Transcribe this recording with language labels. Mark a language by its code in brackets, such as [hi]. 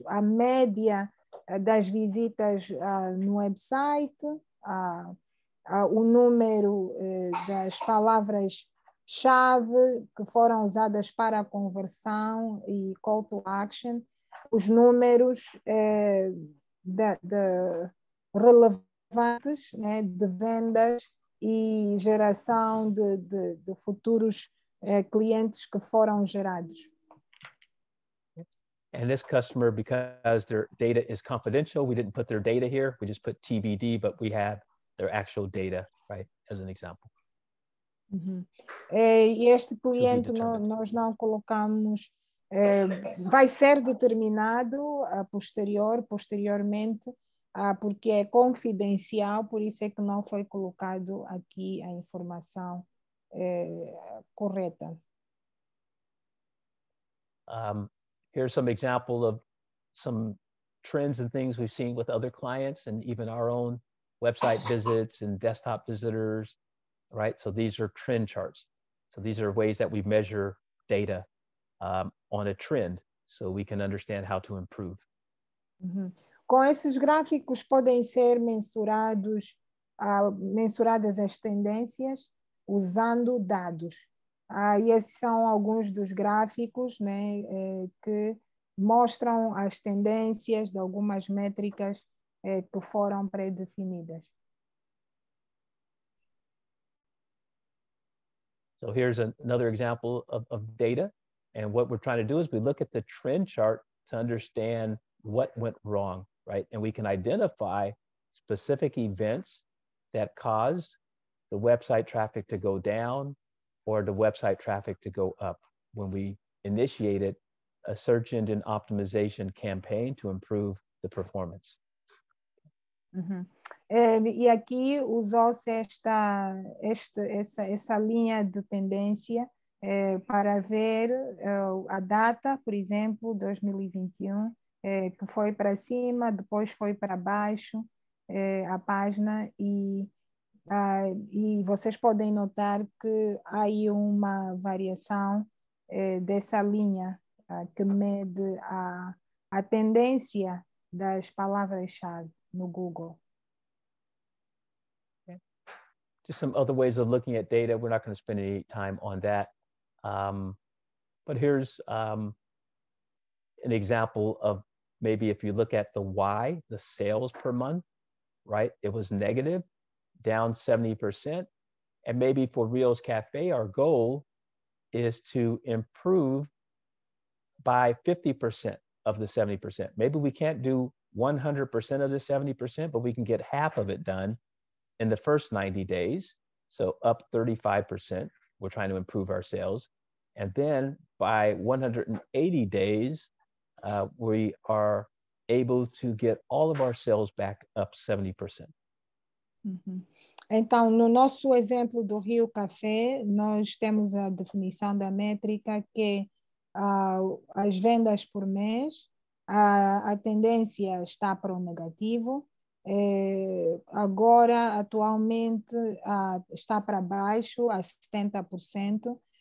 [pt] A média das visitas no website, o número das palavras-chave que foram usadas para a conversão e call to action, os números de relevantes, né, de vendas e geração de futuros clientes que foram gerados. [en] And this customer, because their data is confidential, we didn't put their data here. We just put TBD, but we have their actual data, right, as an example. Uh-huh. [pt] Este cliente, nós não colocamos, vai ser determinado posteriormente, porque é confidencial, por isso é que não foi colocado aqui a informação correta. [en] Here's some example of some trends and things we've seen with other clients and even our own website visits and desktop visitors, right? So these are trend charts. So these are ways that we measure data on a trend so we can understand how to improve. Uhum. [pt] Com esses gráficos podem ser mensuradas as tendências usando dados. E esses são alguns dos gráficos, né, que mostram as tendências de algumas métricas que foram pré-definidas. [en] So here's another example of data. And what we're trying to do is we look at the trend chart to understand what went wrong, right? And we can identify specific events that caused the website traffic to go down or the website traffic to go up when we initiated a search engine optimization campaign to improve the performance. Uhum. [pt] E aqui usou-se essa linha de tendência para ver a data, por exemplo, 2021, que foi para cima, depois foi para baixo a página e E vocês podem notar que há aí uma variação dessa linha que mede a tendência das palavras-chave no Google. [en] Just some other ways of looking at data. We're not going to spend any time on that. But here's an example of maybe if you look at the Y, the sales per month, right? It was negative, down 70%. And maybe for Rio's Cafe, our goal is to improve by 50% of the 70%. Maybe we can't do 100% of the 70%, but we can get half of it done in the first 90 days. So up 35%, we're trying to improve our sales. And then by 180 days, we are able to get all of our sales back up 70%. Mm-hmm. [pt] Então, no nosso exemplo do Rio Café, nós temos a definição da métrica que as vendas por mês, a tendência está para o negativo. Agora, atualmente, está para baixo, a 70%.